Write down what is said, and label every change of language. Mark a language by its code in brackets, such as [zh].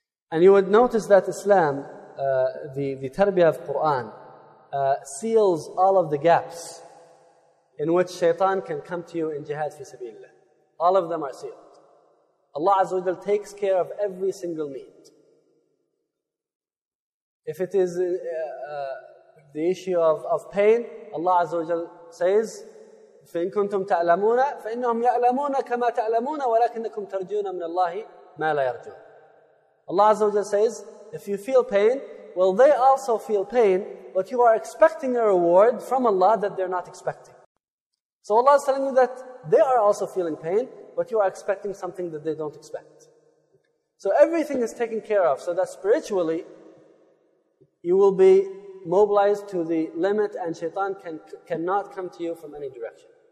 [en] And you would notice that Islam, the tarbiyah of Quran, seals all of the gaps in which shaitan can come to you in jihad fi sabilillah. All of them are sealed. Allah Azza wa Jalla takes care of every single need. [ar] If it is the issue of pain, Allah Azza wa Jalla says, فَإِنْ كُنْتُمْ تَعْلَمُونَ فَإِنَّهُمْ يَعْلَمُونَ كَمَا تَعْلَمُونَ وَلَكِنَّكُمْ تَرْجُونَ مِنَ اللَّهِ مَا لَا يَرْجُونَ. [en] Allah Azza wa Jalla says, if you feel pain, well, they also feel pain, but you are expecting a reward from Allah that they're not expecting. So Allah is telling you that they are also feeling pain, but you are expecting something that they don't expect. So everything is taken care of, so that spiritually, you will be mobilized to the limit and shaitan cannot come to you from any direction.